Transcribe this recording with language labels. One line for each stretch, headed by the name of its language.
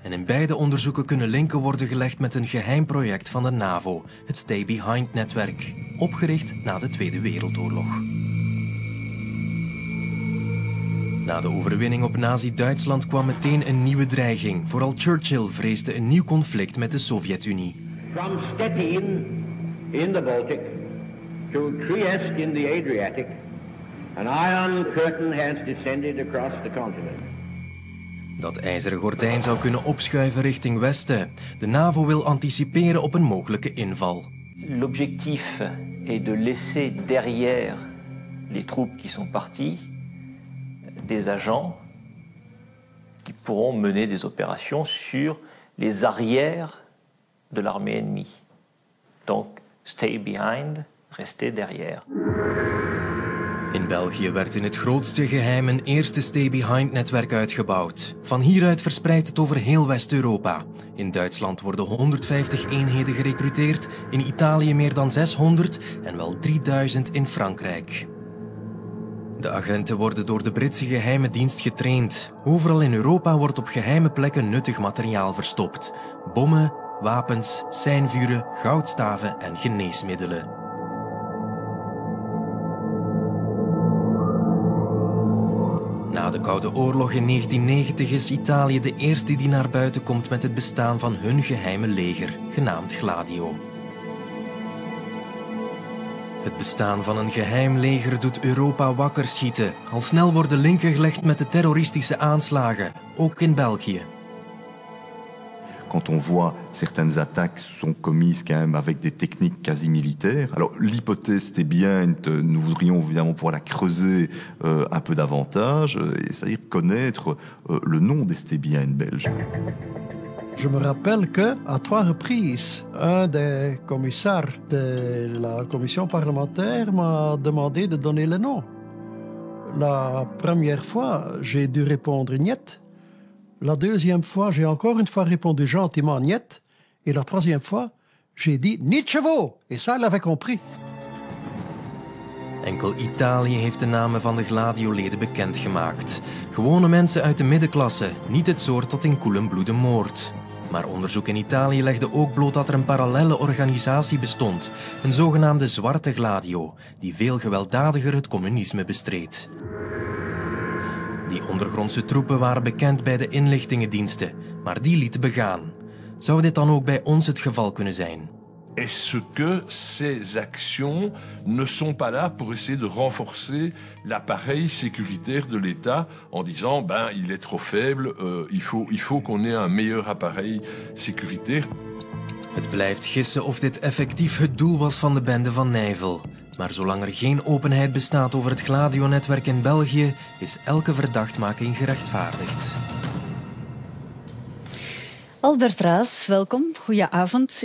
Dutch: En in beide onderzoeken kunnen linken worden gelegd met een geheim project van de NAVO, het Stay Behind-netwerk, opgericht na de Tweede Wereldoorlog. Na de overwinning op Nazi-Duitsland kwam meteen een nieuwe dreiging. Vooral Churchill vreesde een nieuw conflict met de Sovjet-Unie.
English: From Stettin in the Baltic to Trieste in the Adriatic. An iron curtain has descended across the continent.
Dutch: Dat ijzeren gordijn zou kunnen opschuiven richting westen. De NAVO wil anticiperen op een mogelijke inval.
French: L'objectif est de laisser derrière les troupes qui sont parties des agents qui pourront mener des opérations sur les arrières de l'armée ennemie. Donc stay behind, rester derrière.
Dutch: In België werd in het grootste geheim een eerste Stay Behind-netwerk uitgebouwd. Van hieruit verspreidt het over heel West-Europa. In Duitsland worden 150 eenheden gerekruteerd, in Italië meer dan 600 en wel 3000 in Frankrijk. De agenten worden door de Britse geheime dienst getraind. Overal in Europa wordt op geheime plekken nuttig materiaal verstopt. Bommen, wapens, seinvuren, goudstaven en geneesmiddelen. Na de Koude Oorlog in 1990 is Italië de eerste die naar buiten komt met het bestaan van hun geheime leger, genaamd Gladio. Het bestaan van een geheim leger doet Europa wakker schieten. Al snel worden linken gelegd met de terroristische aanslagen, ook in België.
French: Quand on voit certaines attaques sont commises quand même avec des techniques quasi militaires. Alors l'hypothèse était bien, nous voudrions évidemment pouvoir la creuser un peu davantage, c'est-à-dire connaître le nom des Stay Behind belges. Je me rappelle que à trois reprises, un des commissaires de la commission parlementaire m'a demandé de donner le nom. La première fois, j'ai dû répondre niet. La deuxième fois, j'ai encore une fois répondu gentiment niet. Et la troisième fois, j'ai dit nietschevo. Et ça, elle avait compris.
Dutch: Enkel Italië heeft de namen van de Gladio-leden bekendgemaakt. Gewone mensen uit de middenklasse, niet het soort dat in koelen bloede moordt. Maar onderzoek in Italië legde ook bloot dat er een parallelle organisatie bestond. Een zogenaamde Zwarte Gladio, die veel gewelddadiger het communisme bestreed. Die ondergrondse troepen waren bekend bij de inlichtingendiensten, maar die lieten begaan. Zou dit dan ook bij ons het geval kunnen zijn?
French: Est-ce que ces actions ne sont pas là pour essayer de renforcer l'appareil sécuritaire de l'État en disant ben il est trop faible, il faut qu'on ait un meilleur appareil sécuritaire.
Dutch: Het blijft gissen of dit effectief het doel was van de bende van Nijvel. Maar zolang er geen openheid bestaat over het Gladio-netwerk in België, is elke verdachtmaking gerechtvaardigd. Albert Raas, welkom. Goedenavond.